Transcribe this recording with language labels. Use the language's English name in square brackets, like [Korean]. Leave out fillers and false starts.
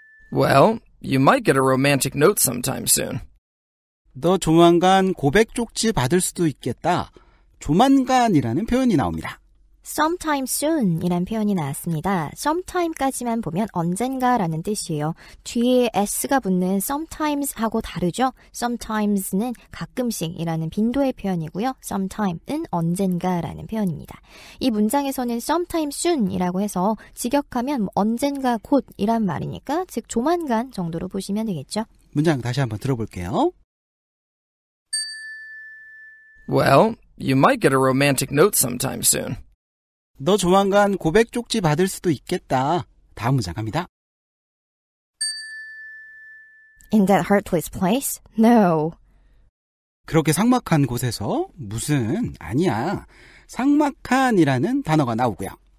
[English] Well, you might get a romantic note sometime soon. [Korean] 너 조만간 고백 쪽지 받을 수도 있겠다. 조만간이라는 표현이 나옵니다. [English] Sometime soon [Korean] 이라는 표현이 나왔습니다. Sometime까지만 보면 언젠가라는 뜻이에요. 뒤에 s가 붙는 sometimes하고 다르죠? Sometimes는 가끔씩이라는 빈도의 표현이고요. Sometime은 언젠가라는 표현입니다. 이 문장에서는 [English] sometime soon [Korean] 이라고 해서 직역하면 언젠가 곧이란 말이니까 즉 조만간 정도로 보시면 되겠죠. 문장 다시 한번 들어볼게요. [English] Well, you might get a romantic note sometime soon. [Korean] 너 조만간 고백 쪽지 받을 수도 있겠다. 다음 문장 갑니다. [English] In that heartless place? No. [Korean] 그렇게 삭막한 곳에서? 무슨? 아니야. 삭막한이라는 단어가 나오고요.